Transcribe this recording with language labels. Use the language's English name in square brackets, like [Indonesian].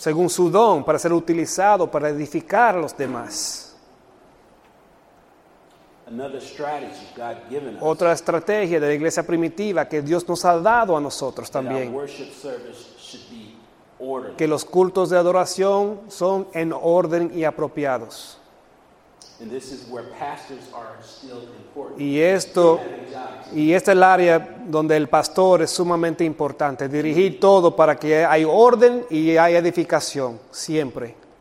[Spanish] Según su don, para ser utilizado, para edificar a los demás. [English] Another strategy God given us, [Spanish] otra estrategia de la iglesia primitiva que Dios nos ha dado a nosotros también. [English] That our worship service should be orderly. [Spanish] Que los cultos de adoración son en orden y apropiados. [English] And this is where pastors are still important. [Spanish] Y esta es el área donde el pastor es sumamente importante. Dirigir todo para que haya orden y haya edificación siempre.